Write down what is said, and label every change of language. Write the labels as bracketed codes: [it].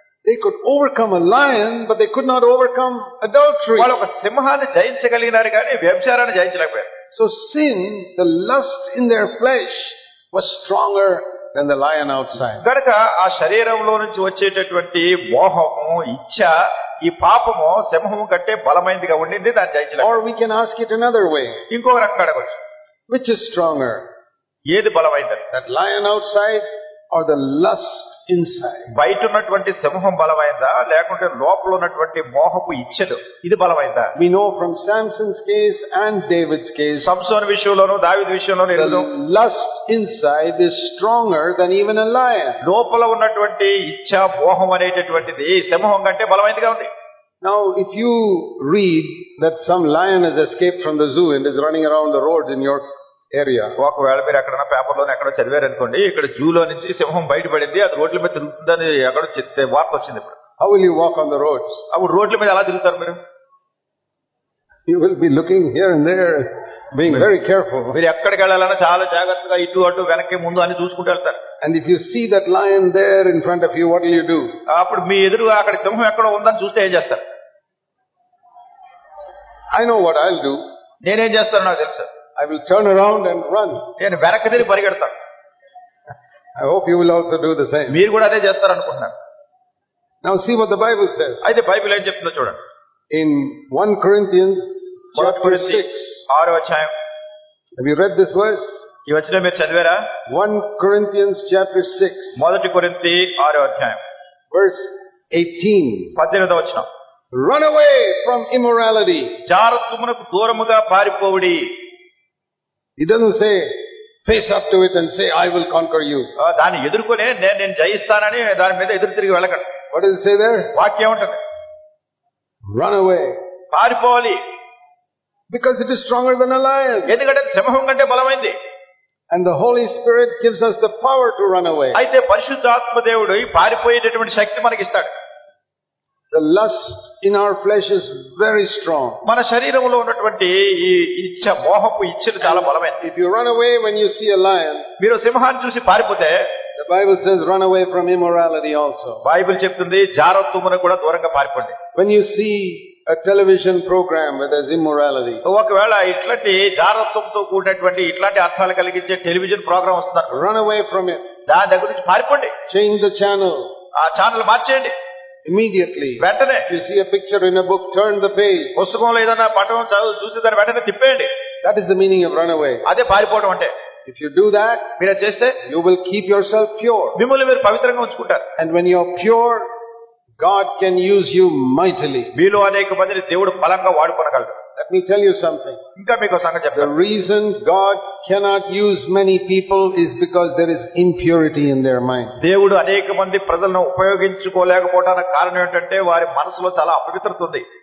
[en] They could overcome a lion, but they could not overcome adultery. [te] వాళ్ళు ఒక సింహాన్ని జయించగలిగినారు కానీ వ్యభిచారాన్ని జయించలేకపోయారు. [en] So sin, the lust in their flesh, was stronger than the lion outside. [te] గనక ఆ శరీరంలో నుంచి వచ్చేటటువంటి మోహము, ఇచ్చ, ఈ పాపము సింహము కంటే బలమైనదిగా ఉండింది, దాన్ని జయించలేదు. [en] Or we can ask it another way. [te] ఇంకొక రకంగా అడగొచ్చు. [en] Which is stronger? [te] ఏది బలమైనది? [en] That lion outside or the lust inside? [te] బయట ఉన్నటువంటి సింహం బలమైందా లేకుంటే లోపల ఉన్నటువంటి మోహపు ఇచ్చలు ఇది బలమైందా? [en] We know from Samson's case and David's case. [te] సంసోను విషయంలోనూ దావీదు విషయంలోనూ [en] the lust inside is stronger than even a lion. [te] లోపల ఉన్నటువంటి ఇచ్చ మోహం అనేటటువంటిది సింహం కంటే బలమైనదిగా ఉంది. [en] Now if you read that some lion has escaped from the zoo and is running around the road in your area. [te] ఒకవేళ మీరు అక్కడ పేపర్లో ఎక్కడ చదివారు అనుకోండి, ఇక్కడ జూలో నుంచి సింహం బయటపడింది, అది రోడ్ల మీద తిరుగుతుందని ఎక్కడ చెప్తే వార్త వచ్చింది. [en] How will you walk on the roads? [te] అప్పుడు రోడ్ల మీద ఎలా తిరుగుతారు మీరు? [en] You will be looking here and there. being very careful. [te] మీరు ఎక్కడికి వెళ్ళాలన్నా చాలా జాగ్రత్తగా ఇటు అటు వెనక్కి ముందు అని చూసుకుంటూ వెళ్తారు. [en] And if you see that lion there in front of you, what will you do? [te] అప్పుడు మీ ఎదురు అక్కడ సింహం ఎక్కడ ఉందని చూస్తే ఏం చేస్తారు? [en] I know what I'll do. [te] నేనేం చేస్తానో తెలుసు. [en] I will turn around and run. [te] నేను వెనక్కి తిరిగి పరిగెడతాను. [en] I hope you will also do the same. [te] మీరు కూడా అదే చేస్తారు అనుకుంటున్నాను. [en] Now see what the Bible says. [te] అయితే బైబిల్ ఏం చెప్తుందో చూడండి. [en] In 1 Corinthians chapter 6, [te] 6వ అధ్యాయం. [en] Have you read this verse? [te] ఈ వచనం మీరు చదివారా? [en] 1 Corinthians chapter 6, [te] మొదటి కొరింథి 6వ అధ్యాయం. [en] Verse 18, [te] 18వ వచనం. [en] Run away from immorality. [te] జారత్వమునకు దూరముగా పారిపోవుడి. [en] He doesn't say face up to it and say I will conquer you. [te] దాని ఎదుర్కొనే నేను జయిస్తానని దాని మీద ఎదురు తిరిగి వెళ్ళకండి. [en] What does it say there? [te] వాక్యం ఉంటుంది. [en] Run away. [te] పారిపోవాలి. [en] Because it is stronger than a lion. [te] ఎందుకంటే సింహం కంటే బలమైంది. [en] And the Holy Spirit gives us the power to run away. [te] అయితే పరిశుద్ధాత్మ దేవుడు ఈ పారిపోయేటటువంటి శక్తి మనకి ఇస్తాడు. [en] The lust in our flesh is very strong. [te] మన శరీరములో ఉన్నటువంటి ఈ ఇచ్చ మోహపు ఇచ్చలు చాలా బలమైనది. [en] If you run away when you see a lion, [te] మీరు సింహాన్ని చూసి పారిపోతే, [en] the Bible says run away from immorality also. [te] Bible చెప్తుంది జారత్వమును కూడా దూరంగా పారిపోండి. [en] When you see a television program where there's immorality, [te] ఒకవేళ ఇట్లాంటి జారత్వంతో కూడినటువంటి ఇట్లాంటి అర్థాలు కలిగించే టెలివిజన్ ప్రోగ్రామ్ వస్తున్నారు, [en] run away from it. [te] దాని దగ్గర నుంచి పారిపోండి. [en] Change the channel. [te] ఆ ఛానల్ మార్చేయండి. [en] Immediately. [te] వెంటనే. [en] If you see a picture in a book, turn the page. [te] పుస్తకంలో ఏదైనా పటం చూసి దాన్ని వెంటనే తిప్పేయండి. [en] That is the meaning of run away. [te] అదే పారిపోవడం అంటే. [en] If you do that, [te] మీరు చేస్తే, [en] you will keep yourself pure. [te] మిమ్మల్ని మీరు పవిత్రంగా ఉంచుకుంటారు. [en] And when you are pure, God can use you mightily. [te] మీలో అనేక మందిని దేవుడు బలంగా వాడుకొనగలడు. [en] Let me tell you something. [te] ఇంకా మీకు సంగతి చెప్తాను. [en] The reason God cannot use many people is because there is impurity in their mind. [te] దేవుడు అనేక మంది ప్రజలను ఉపయోగించుకోలేకపోవడానికి కారణం ఏంటంటే వారి మనసులో చాలా అపవిత్రత ఉంది.